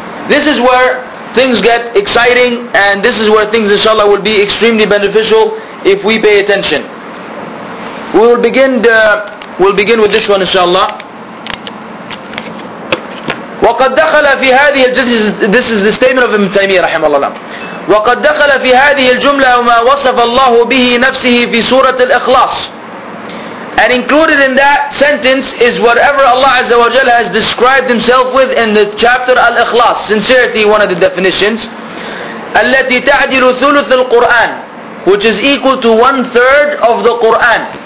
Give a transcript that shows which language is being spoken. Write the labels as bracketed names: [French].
[English] This is where things get exciting, and this is where things inshallah will be extremely beneficial if we pay attention. We will begin with this one inshallah. [Arabic] وقد دخل في هذه [English] this is the statement of Ibn Taymiyyah rahimahullah. [Arabic] وقد دخل في هذه الجملة وما وصف الله به نفسه في سورة الإخلاص. [English] And included in that sentence is whatever Allah Azza wa Jalla has described Himself with in the chapter Al-Ikhlas, sincerity, one of the definitions. [Arabic] التي تعدل ثلث القرآن, [English] which is equal to one third of the Quran.